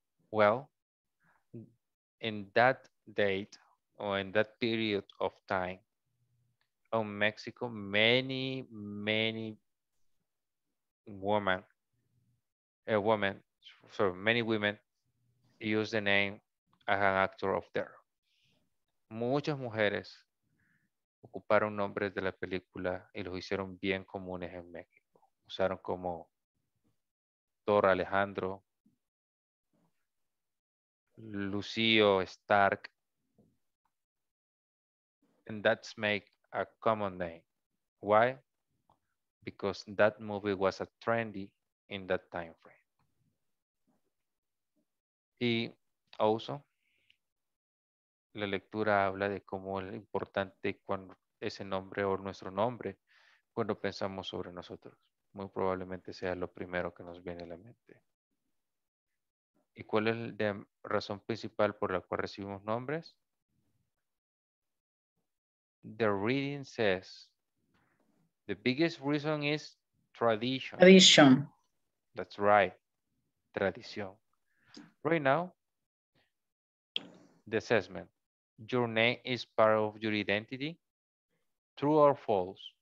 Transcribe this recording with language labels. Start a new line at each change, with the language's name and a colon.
English: Well, in that date or in that period of time, in Mexico, many, many women use the name as an actor of there.
Spanish: Muchas mujeres ocuparon nombres de la película y los hicieron bien comunes en México. Usaron como
English: Thor Alejandro, Lucio Stark, and that's make a common name. Why? Because that movie was a trendy in that time frame.
Spanish: Y also, la lectura habla de cómo es importante cuando ese nombre o nuestro nombre cuando pensamos sobre nosotros. Muy probablemente sea lo primero que nos viene a la mente. ¿Y cuál es la razón principal por la cual recibimos nombres?
English: The reading says, the biggest reason is tradition. Tradition. That's right. Tradición. Right now, the assessment. Your name is part of your identity. True or false?